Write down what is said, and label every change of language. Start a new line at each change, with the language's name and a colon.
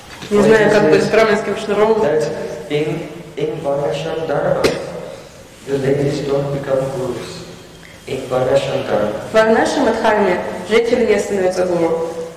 Russian: Не знаю, как бы с браминским шнуром.
English: In Varnashram Dharma, the ladies don't become gurus. In Varnashram Dharma.
Russian: В Варнашрама Дхарме женщины не становятся гуру.